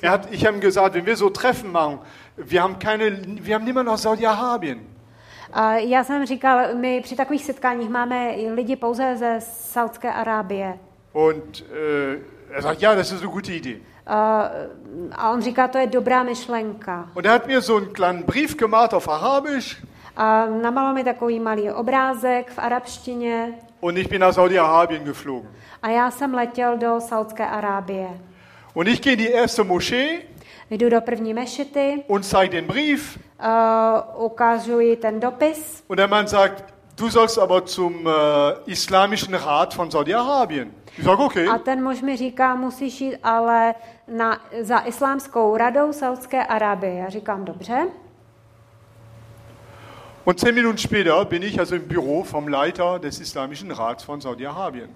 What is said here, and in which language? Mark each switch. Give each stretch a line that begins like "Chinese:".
German: Ich habe ihm gesagt, wenn wir so Treffen machen, wir haben niemanden aus Saudi-Arabien.
Czech: Já jsem říkal, my při takových setkáních máme lidi pouze ze Saudské Arábie.
German: Und er sagt, ja, das ist eine gute Idee.
Czech: A on říká, to je dobrá myšlenka.
German: Und hat mir so einen kleinen Brief gemacht auf Arabisch.
Czech: Namaloval mi takový malý obrázek v arabštině.
German: Und ich bin nach Saudi-Arabien geflogen.
Czech: A já jsem letěl do Saudské Arábie.
German: Und ich gehe in die erste Moschee.
Czech: Jdu do první mešity.
German: Und zeig den Brief.
Czech: Ukazuji ten dopis.
German: Und der Mann sagt, du sollst aber zum islamischen Rat von Saudi-Arabien. Ich sag, okay.
Czech: A ten muž mi říká, musíš jít ale za islámskou radou Saudské Arábie. Já říkám, dobře.
German: Und 10 Minuten später bin ich also im Büro vom Leiter des islamischen Rats von Saudi-Arabien.